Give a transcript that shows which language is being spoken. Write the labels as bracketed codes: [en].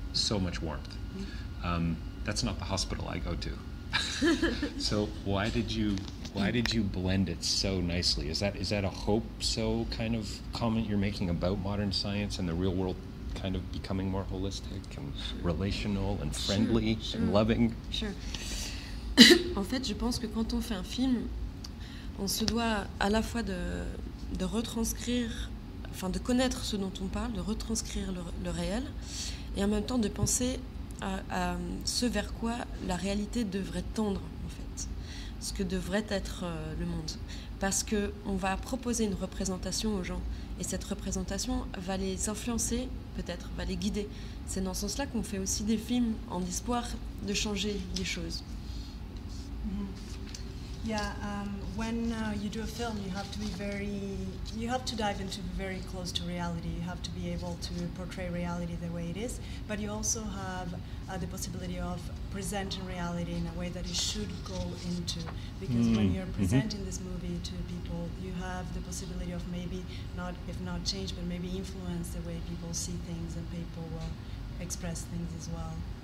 [en] So much warmth. Mm-hmm. That's not the hospital I go to. So why did you blend it so nicely? Is that a hope so kind of comment you're making about modern science and the real world kind of becoming more holistic and relational and friendly and loving? Sure. [fr] En fait, je pense que quand on fait un film, on se doit à la fois de retranscrire, enfin de connaître ce dont on parle, de retranscrire le réel, et en même temps de penser à ce vers quoi la réalité devrait tendre. Ce que devrait être le monde, parce que on va proposer une représentation aux gens, et cette représentation va les influencer, peut-être va les guider. C'est dans ce sens-là qu'on fait aussi des films en espoir de changer les choses. Mm-hmm. [en] Yeah, when you do a film, you have to dive into very close to reality. You have to be able to portray reality the way it is, but you also have the possibility of presenting reality in a way that it should go into, because when you're presenting this movie to people, you have the possibility of maybe not, if not change, but maybe influence the way people see things and people will express things as well.